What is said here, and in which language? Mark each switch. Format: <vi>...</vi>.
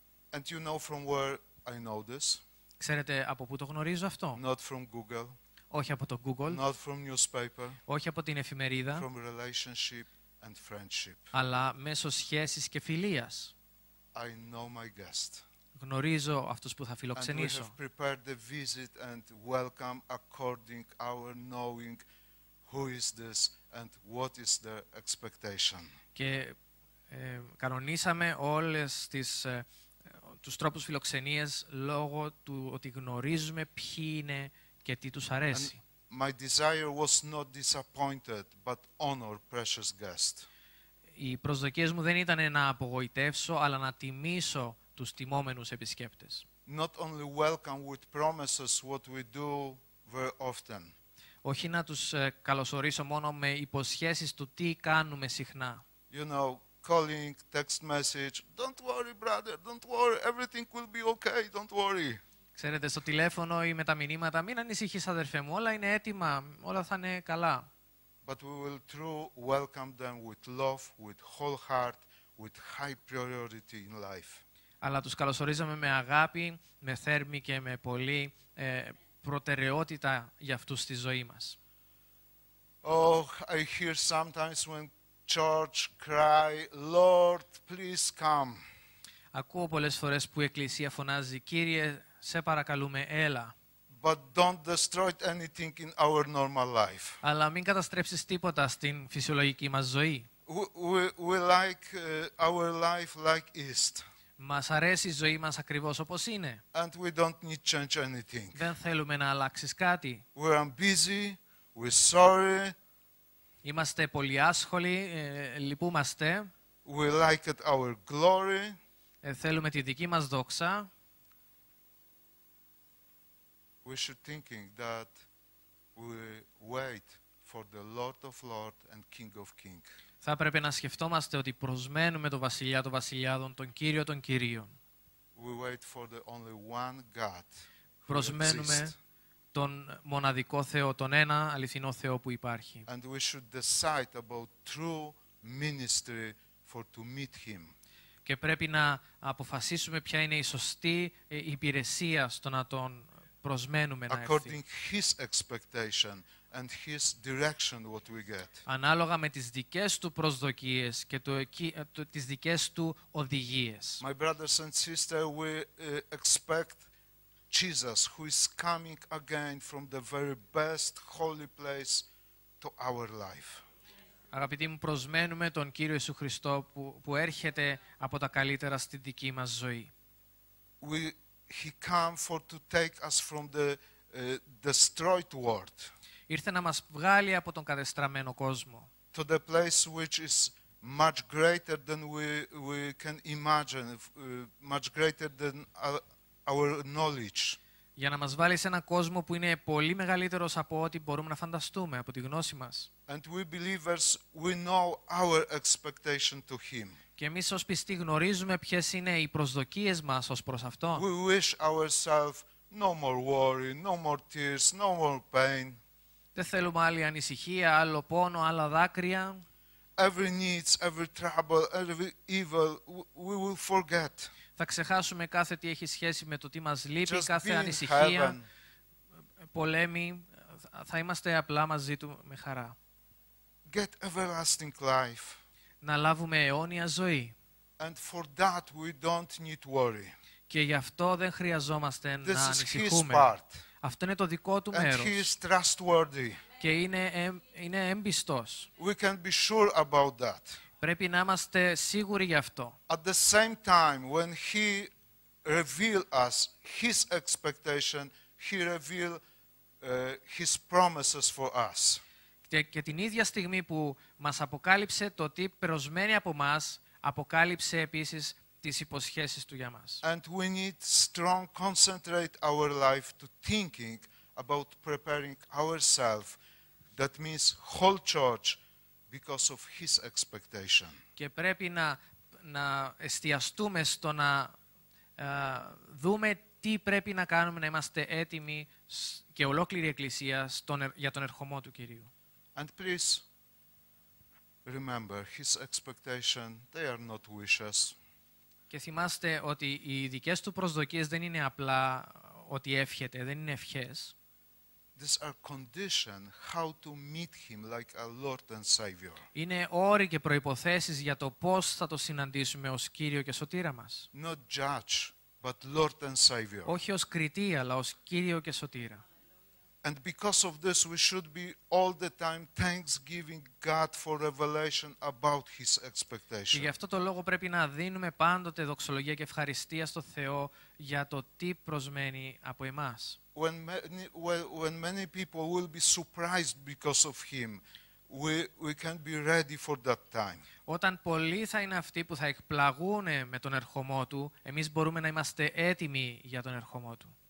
<en>And you know from where I know this.</en> <el>Ξέρετε από πού το γνωρίζω αυτό?</el> <en>Not from Google.</en> <el>Όχι από το Google.</el> <en>Not from newspaper.</en> <el>Όχι από την εφημερίδα.</el> <en>From relationship and friendship.</en> <el>Αλλά μέσω σχέσης και φιλίας.</el> <en>I know my guest.</en> <el>Γνωρίζω αυτούς που θα φιλοξενήσω.</el> <en>And we have prepared the visit and welcome according our knowing who is this and what is their expectation.</en> <el>Και κανονίσαμε όλες τις τους τρόπους φιλοξενίας λόγω του ότι γνωρίζουμε ποιοι είναι και τι τους αρέσει.</el> <en>And my desire was not disappointed, but honor precious guest.</en> <el>Οι προσδοκίες μου δεν ήταν να απογοητεύσω, αλλά να τιμήσω τους τιμόμενους επισκέπτες.</el> <en>Not only welcome with promises what we do very often.</en> <el>Όχι να τους καλωσορίσω μόνο με υποσχέσεις του τι κάνουμε συχνά.</el> <en>You know, calling, text message. Don't worry, brother. Don't worry. Everything will be okay. Don't worry.</en> <el>Ξέρετε, στο τηλέφωνο ή με τα μηνύματα, μην ανησυχείς, αδερφέ μου. Όλα είναι έτοιμα. Όλα θα είναι καλά.</el> <en>But we will truly welcome them with love, with whole heart, with high priority in life.</en> <el>Αλλά τους καλωσορίζαμε με αγάπη, με θέρμη και με πολύ προτεραιότητα για αυτούς στη ζωή μας.</el> <en>Oh, I hear sometimes when church cry, Lord, please come.</en> <el>Ακούω πολλές φορές που η εκκλησία φωνάζει, Κύριε, σε παρακαλούμε, έλα.</el> <en>But don't destroy anything in our normal life.</en> <el>Αλλά μην καταστρέψεις τίποτα στην φυσιολογική μας ζωή.</el> <en>We like our life like east.</en> <el>Μας αρέσει η ζωή μας ακριβώς όπως είναι.</el> <en>And we don't need change anything.</en> <el>Δεν θέλουμε να αλλάξεις κάτι.</el> <en>We are busy. We're sorry.</en> <el>Είμαστε πολύ άσχολοι, λυπούμαστε.</el> <en>We like it our glory.</en> <el>Θέλουμε τη δική μας δόξα.</el> <en>We should thinking that we wait for the Lord of Lords and King of Kings.</en> <el>Θα πρέπει να σκεφτόμαστε ότι προσμένουμε το Βασιλιά των Βασιλιάδων, τον Κύριο των Κυρίων.</el> <en>We wait for the only one God.</en> <el>Προσμένουμε τον μοναδικό Θεό, τον ένα αληθινό Θεό που υπάρχει.</el> <en>And we should decide about true ministry for to meet him.</en> <el>Και πρέπει να αποφασίσουμε ποια είναι η σωστή υπηρεσία στο να τον προσμένουμε να</el> <en>According</en> <el>έρθει.</el> <en>His expectation and his direction what we get.</en> <el>Ανάλογα με τις δικές του προσδοκίες και τις δικές του οδηγίες.</el> <en>My brothers and sisters, we expect Jesus who is coming again from the very best holy place to our life.</en> <el>Αγαπητοί μου, προσμένουμε τον Κύριο Ιησού Χριστό που έρχεται από τα καλύτερα στη δική μας ζωή.</el> <en>He came for to take us from the destroyed world.</en> <el>Ήρθε να μας βγάλει από τον κατεστραμμένο κόσμο.</el> <en>To the place which is much greater than we can imagine, much greater than our knowledge.</en> <el>Για να μας βάλει σε ένα κόσμο που είναι πολύ μεγαλύτερος από ό,τι μπορούμε να φανταστούμε, από τη γνώση μας.</el> <en>And we believers, we know our expectation to him.</en> <el>Και εμείς ως πιστοί γνωρίζουμε ποιες είναι οι προσδοκίες μας ως προς αυτό.</el> <en>We wish ourselves no more worry, no more tears, no more pain.</en> <el>Δεν θέλουμε άλλη ανησυχία, άλλο πόνο, άλλα δάκρυα.</el> <en>Every needs, every trouble, every evil, we will forget.</en> <el>Θα ξεχάσουμε κάθε τι έχει σχέση με το τι μας λείπει,</el> <en>Just</en> <el>κάθε ανησυχία, πολέμη. Θα είμαστε απλά μαζί του με χαρά.</el> <en>Get everlasting life.</en> <el>Να λάβουμε αιώνια ζωή.</el> <en>And for that we don't need worry.</en> <el>Και γι' αυτό δεν χρειαζόμαστε</el> <en>This</en> <el>να ανησυχούμε.</el> <en>His part.</en> <el>Αυτό είναι το δικό του</el> <en>And</en> <el>μέρος.</el> <en>He is trustworthy.</en> <el>Και είναι εμπιστός.</el> <en>We can be sure about that.</en> <el>Πρέπει να είμαστε σίγουροι γι' αυτό.</el> <en>At the same time, when he revealed us his expectation, he revealed his promises for us.</en> <el>Και την ίδια στιγμή που μας αποκάλυψε το τι περιορισμένοι από μας, αποκάλυψε επίσης τις υποσχέσεις του για μας.</el> <en>And we need strong concentrate our life to thinking about preparing ourselves. That means whole church. Because of his expectation.</en> <el>Και πρέπει να εστιαστούμε στο να δούμε τι πρέπει να κάνουμε να είμαστε έτοιμοι και ολόκληρη η Εκκλησία για τον ερχομό του Κυρίου.</el> <en>And please remember his expectation, they are not wishes.</en> <el>Και θυμάστε ότι οι δικές του προσδοκίες δεν είναι απλά ότι εύχεται, δεν είναι ευχές.</el> <en>These are condition how to meet him like a Lord and Savior.</en> <el>Είναι όροι και προϋποθέσεις για το πώς θα το συναντήσουμε ως Κύριο και Σωτήρα μας.</el> <en>Not judge, but Lord and Savior.</en> <el>Όχι ως κριτή, αλλά ως Κύριο και Σωτήρα.</el> <en>And because of this, we should be all the time thanksgiving God for revelation about his expectation.</en> <el>Και γι' αυτό το λόγο πρέπει να δίνουμε πάντοτε δοξολογία και ευχαριστία στο Θεό για το τι προσμένει από εμάς.</el> <en>When many people will be surprised because of him, we can be ready for that time.</en> <el>Όταν πολλοί θα είναι αυτοί που θα εκπλαγούν με τον ερχομό του, εμείς μπορούμε να είμαστε έτοιμοι για τον ερχομό του.</el>